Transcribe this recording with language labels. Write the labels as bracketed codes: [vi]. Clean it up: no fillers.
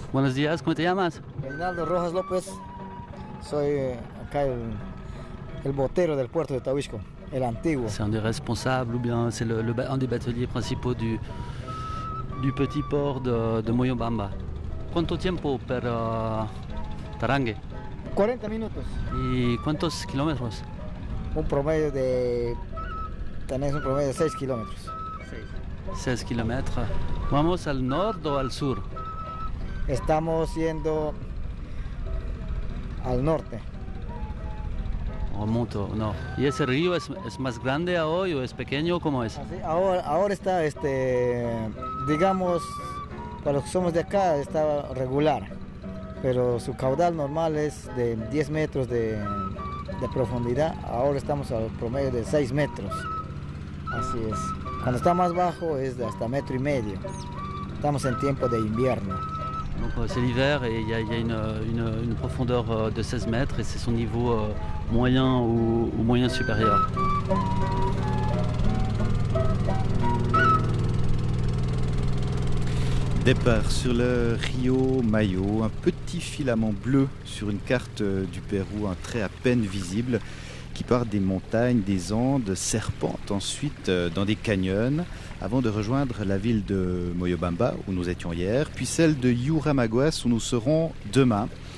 [es] Buenos días, ¿cómo te llamas? Reinaldo Rojas López. Soy acá el botero del puerto de Tahuichco, el antiguo. [fr] C'est un des responsables ou bien c'est un des bateliers principaux du petit port de Moyobamba. [es] ¿Cuánto tiempo per Tarangue? 40 minutos. ¿Y cuántos kilómetros? Tenés un promedio de 6 kilómetros. 6 kilómetros. ¿Vamos al norte o al sur? Estamos yendo al norte. Remonto, no. ¿Y ese río es más grande hoy o es pequeño? ¿Cómo es? Así, ahora está, digamos, para los que somos de acá, está regular. Pero su caudal normal es de 10 metros de profundidad. Ahora estamos al promedio de 6 metros. Así es. Cuando está más bajo es de hasta metro y medio. Estamos en tiempo de invierno. [fr] Donc c'est l'hiver et il y a une profondeur de 16 mètres et c'est son niveau moyen ou moyen supérieur. Départ sur le Rio Mayo, un petit filament bleu sur une carte du Pérou, un trait à peine visible qui part des montagnes, des Andes, serpente ensuite dans des canyons avant de rejoindre la ville de Moyobamba où nous étions hier, puis celle de Yuramaguas où nous serons demain.